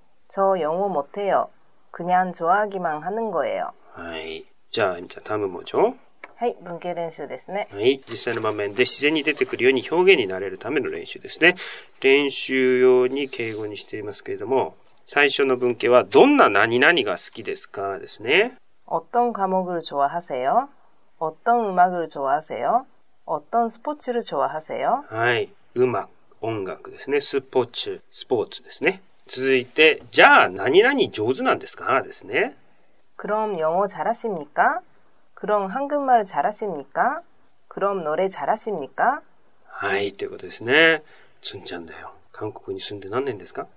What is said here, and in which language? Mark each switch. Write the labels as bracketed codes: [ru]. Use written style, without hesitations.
[ko] 저영어못해요。 그냥좋아하기만하는거예요。 [ja] はい。じゃあ、じゃあ、 [ko] 다음은뭐죠? [ja] はい、文型練習ですね。はい、実際の場面で自然に出てくるように表現になれるための練習ですね。練習用に敬語にしていますけれども、最初の文型はどんな何々が好きですかですね。 [ko] 어떤과목을좋아하세요? 어떤음악을좋아하세요? 어떤스포츠를좋아하세요? [ja] はい、음악、音楽ですね。スポーツ、スポーツですね。続いて、じゃあ何々上手なんですかですね。 [ko] 그럼영어잘하십니까? 그럼한국말잘하십니까? 그럼노래잘하십니까? [ja] はい、ということですね。つんちゃんだよ。韓国に住んで何年ですか?